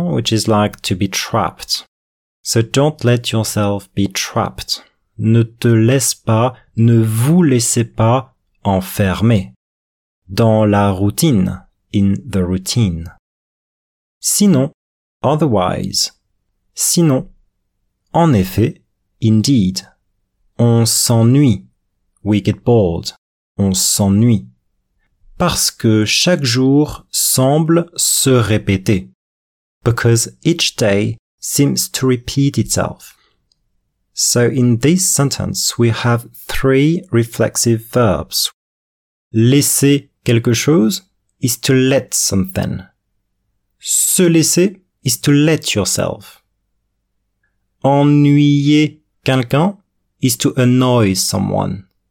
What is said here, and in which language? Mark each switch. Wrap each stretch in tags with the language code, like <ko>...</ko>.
<en>Which is like to be trapped. So don't let yourself be trapped.</en> <fr>ne te laisse pas, ne vous laissez pas enfermer. Dans la routine,</fr> <en>in the routine.</en> <fr>Sinon,</fr> <en>otherwise.</en> <fr>Sinon, en effet,</fr> <en>indeed.</en> <fr>On s'ennuie,</fr> <en>we get bored.</en> <fr>On s'ennuie. Parce que chaque jour semble se répéter.</fr> <en>Because each day seems to repeat itself. So in this sentence, we have three reflexive verbs.</en> <fr>Laisser quelque chose</fr> <en>is to let something. Se laisser is to let yourself.</en> <fr>Ennuyer quelqu'un</fr> <en>is to annoy someone.</en>